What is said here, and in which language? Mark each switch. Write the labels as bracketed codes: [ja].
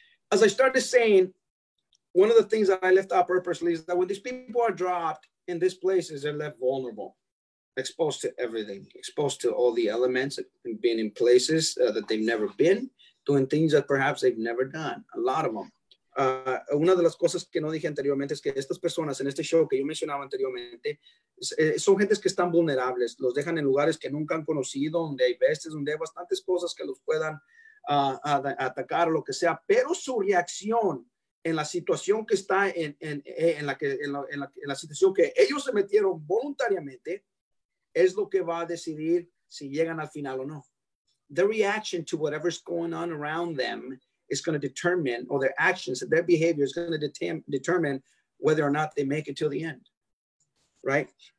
[en] As I started saying, one of the things that I left out purposely is that when these people are dropped in these places, they're left vulnerable, exposed to everything, exposed to all the elements, and being in places that they've never been, doing things that perhaps they've never done, a lot of them. [es] Una de las cosas que no dije anteriormente es que estas personas en este show que yo mencionaba anteriormente son gentes que están vulnerables, los dejan en lugares que nunca han conocido, donde hay bestias, donde hay bastantes cosas que los puedan atacar o lo que sea, pero su reacción en la situación que está en la situación que ellos se metieron voluntariamente es lo que va a decidir si llegan al final o no. [en] Their reaction to whatever's going on around them is going to determine, or their actions, their behavior is going to determine whether or not they make it till the end, right?